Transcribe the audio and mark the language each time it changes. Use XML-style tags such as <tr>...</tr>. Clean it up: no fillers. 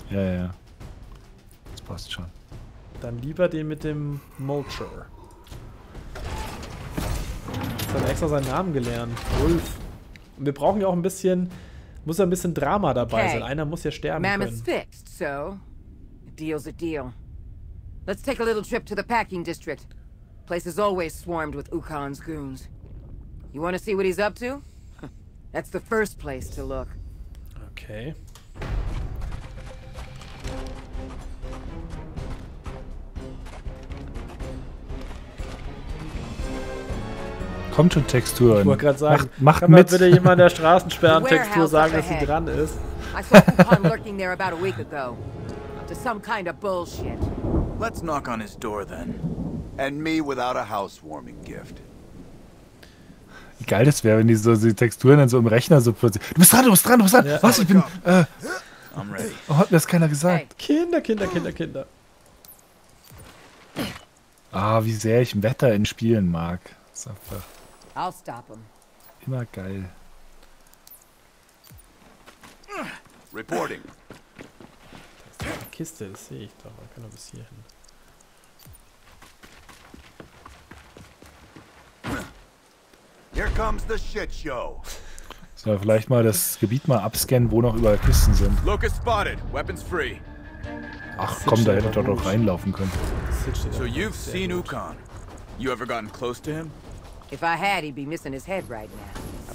<de>Ja, ja. Das passt schon. Dann lieber den mit dem Mulcher. Jetzt hat er extra seinen Namen gelernt. Wolf. Und wir brauchen ja auch ein bisschen... Muss ja ein bisschen Drama dabei sein. Einer muss ja sterben können.</de> <en>Mammoth's fixed, so... Deal's a deal. Let's take a little trip to the packing district. Place is always swarmed with Ukon's goons. You want to see what he's up to? That's the first place to look. Okay.</en> <de>Kommt schon, Textur. Ich wollte gerade sagen, mach kann mit. Mal bitte jemand der Straßensperrentextur sagen, dass sie dran ist.</de> <en>I saw Ukon lurking there about a week ago. To some kind of bullshit. Let's knock on his door then. And me without a housewarming gift.</en> <de>Wie geil das wäre, wenn die so die Texturen dann so im Rechner so plötzlich. Du bist dran! Ja. Was? Ich bin.</de> <en>I'm ready.</en> <de>Oh, hat mir das keiner gesagt. Hey. Kinder. Ah, oh, wie sehr ich Wetter in Spielen mag.</de> <en>I'll stop him.</en> <de>Immer geil.</de> <en>Reporting.</en> <de>Da ist eine Kiste, das sehe ich doch. Man kann doch bis hier hin.</de> <en>Here comes the shit show.</en> <de>Sollen wir vielleicht mal das Gebiet mal abscannen, wo noch überall Kisten sind?</de> <en>Locust spotted, weapons free.</en> <de>Ach komm, da hätte ich doch reinlaufen können.</de> <en>So you've seen Ukon. You ever gotten close to him? If I had, he'd be missing his head right now.</en>